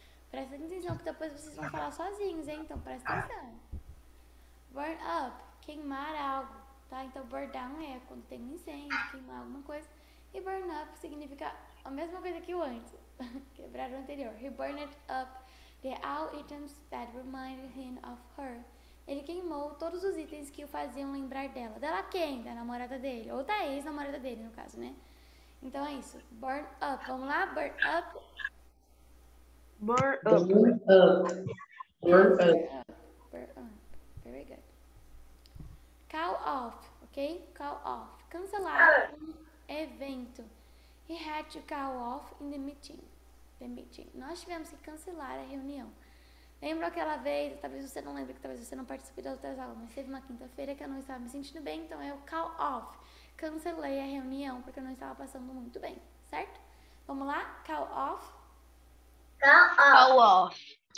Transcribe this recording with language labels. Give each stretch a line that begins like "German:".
Portuguese: Presta atenção que depois vocês vão falar sozinhos, hein? Então presta atenção. Burn up, queimar algo, tá? Então burn down é quando tem um incêndio, queimar alguma coisa. E burn up significa a mesma coisa que o antes. Quebrar o anterior.
English: He burned up the all items that reminded him of her.
Portuguese: Ele queimou todos os itens que o faziam lembrar dela. Dela quem? Da namorada dele. Ou da ex-namorada dele, no caso, né? Então é isso. Burn up. Vamos lá? Burn up.
English: Burn up. Burn up. Burn up. Burn up. Very good. Call off, ok? Call off.
Portuguese: Cancelar um evento.
English: He had to call off in the meeting. The meeting.
Portuguese: Nós tivemos que cancelar a reunião. Lembro aquela vez, talvez você não lembre, que talvez você não participe das outras aulas, mas teve uma quinta-feira que eu não estava me sentindo bem, então eu call off. Cancelei a reunião porque eu não estava passando muito bem, certo? Vamos lá? Call off.
English: Call off.